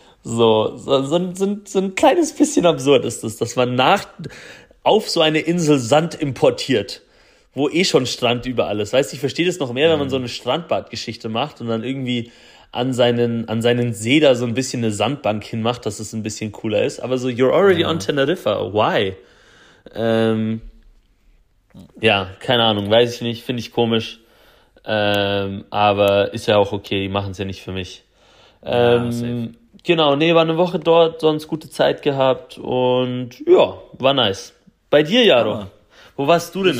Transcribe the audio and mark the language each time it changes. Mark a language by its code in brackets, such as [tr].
[de] So ein kleines bisschen absurd ist das, dass man auf so eine Insel Sand importiert, wo eh schon Strand überall ist. Weißt du, ich verstehe das noch mehr, wenn man so eine Strandbadgeschichte macht und dann irgendwie an seinen See da so ein bisschen eine Sandbank hinmacht, dass es ein bisschen cooler ist. Aber so, [en] you're already on Teneriffa, why? [de] Ja, keine Ahnung, weiß ich nicht, finde ich komisch. Aber ist ja auch okay, die machen es ja nicht für mich. Genau, nee, war eine Woche dort, sonst gute Zeit gehabt und ja, war nice. Bei dir, Jaro, wo warst du denn